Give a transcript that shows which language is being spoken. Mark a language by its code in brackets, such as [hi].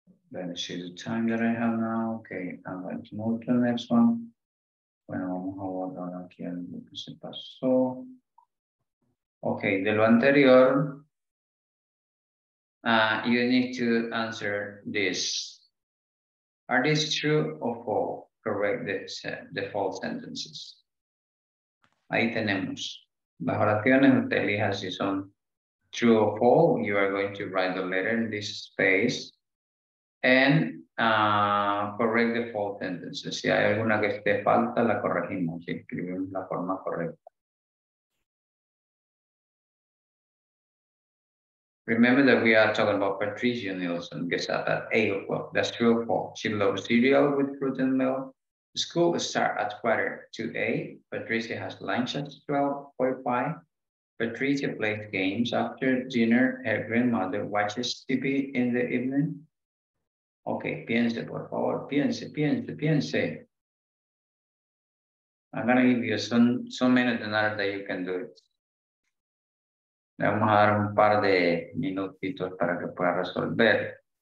[en] Let me see the time that I have now. Okay, I'm going to move to the next one. [es] Bueno, vamos a guardar aquí lo que se pasó. [en] Ok, [es] de lo anterior, [en] you need to answer this. Are these true or false? Correct the false sentences. [es] Ahí tenemos. [en] Las oraciones, usted elija si son true or false. You are going to write the letter in this space. And correct the false sentences. [es] Si hay alguna que esté falta, la corregimos. Si escribimos la forma correcta. [en] Remember that we are talking about Patricia Nielsen gets up at 8 o'clock. That's true or false. She loves cereal with fruit and milk. School starts at 7:45. Patricia has lunch at 12:45. Patricia plays games after dinner. Her grandmother watches TV in the evening. Okay, [es] piense, por favor. Piense. [en] I'm going to give you some minutes now that you can do it. [es] Le vamos a dar un par de minutitos para que pueda resolver.